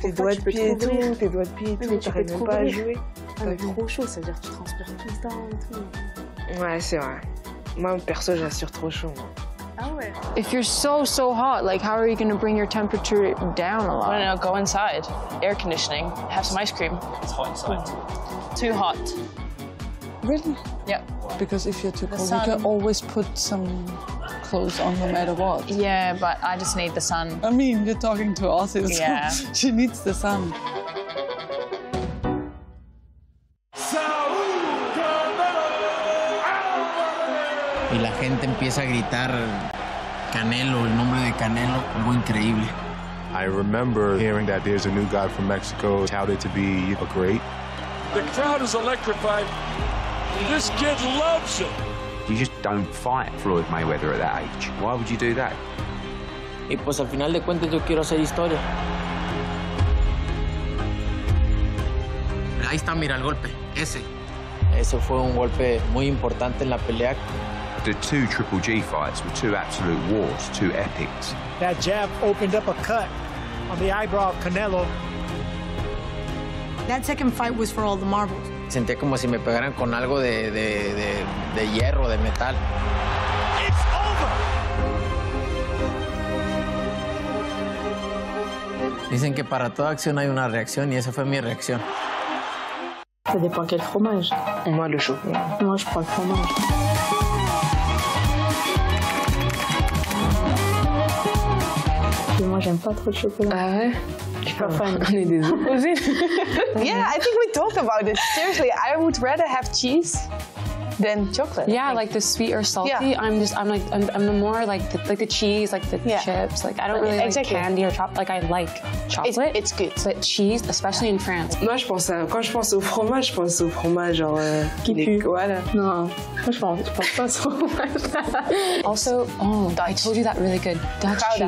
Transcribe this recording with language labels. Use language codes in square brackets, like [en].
[fr] Tes doigts de pied et tout, tes doigts de pied et tout, t'arrives même pas à jouer. Ah, trop chaud, c'est à dire que tu transpires tout le temps et tout. Ouais, c'est vrai. Moi perso j'assure trop chaud. Moi. [en] If you're so, so hot, like how are you going to bring your temperature down a lot? I don't know, go inside. Air conditioning. Have some ice cream. It's hot inside. Too hot. Really? Yeah. Because if you're too cold, you can always put some clothes on no matter what. Yeah, but I just need the sun. I mean, you're talking to Aussies. Yeah. She needs the sun. [es] Y la gente empieza a gritar Canelo, el nombre de Canelo, algo increíble. [en] I remember hearing that there's a new guy from Mexico touted to be a great. The crowd is electrified. This kid loves him. You just don't fight Floyd Mayweather at that age. Why would you do that? [es] Y pues al final de cuentas yo quiero hacer historia. Ahí está, mira el golpe, ese. Ese fue un golpe muy importante en la pelea. [en] The two Triple G fights were two absolute wars, two epics. That jab opened up a cut on the eyebrow of Canelo. That second fight was for all the marbles. [es] Sentí como si me pegaran con algo de hierro, de metal. [en] It's over. [es] Dicen que para toda acción hay una reacción y esa fue mi reacción. [fr] Ça dépend quel fromage. Moi le chocolat. Moi je prends le fromage. Moi, j'aime pas trop le chocolat. Ah ouais? Je suis pas fan. On est des opposés. [en] Yeah, I think we talked about it. Seriously, I would rather have cheese than chocolate. Yeah, like the sweet or salty. Yeah. I'm more like the cheese, like the chips. Like I don't really like candy or chocolate. Like I like chocolate. It's good. But cheese, especially in France. [fr] Moi, je pense à, quand je pense au fromage genre qui pue. Voilà. Non, je pense pas au fromage. [en] Also, oh, Dutch. I told you that really good Dutch Gouda.